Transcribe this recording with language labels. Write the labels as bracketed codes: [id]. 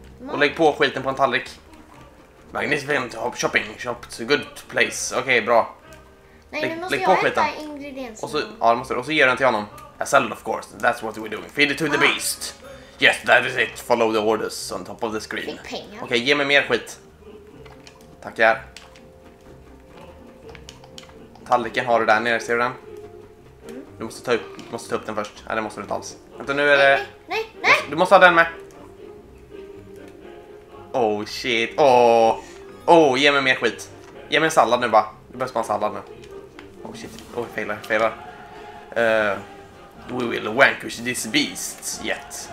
[sv] Och lägg på skiten på en tallrik. [en] Magnificent shopping. Shopped a good place. [sv] Okej, bra. Lägg på skiten. Nej, nu måste jag äta ingredienserna. Och så ger du den till honom. [en] A salad, of course. That's what we're doing. Feed it to the beast. Yes, that is it. Follow the orders on top of the screen. [sv] Okej, ge mig mer skit. Tackar. Tallriken har du där nere, ser du den? Mm. Du måste ta upp den först. Nej, det måste du inte alls. Vänta, nu är det... Nej! Du måste ha den med! Oh shit, Oh, ge mig mer skit! Ge mig en sallad nu bara. Du behöver spara en sallad nu. Oh shit, jag failar. [en] We will vanquish this beast yet.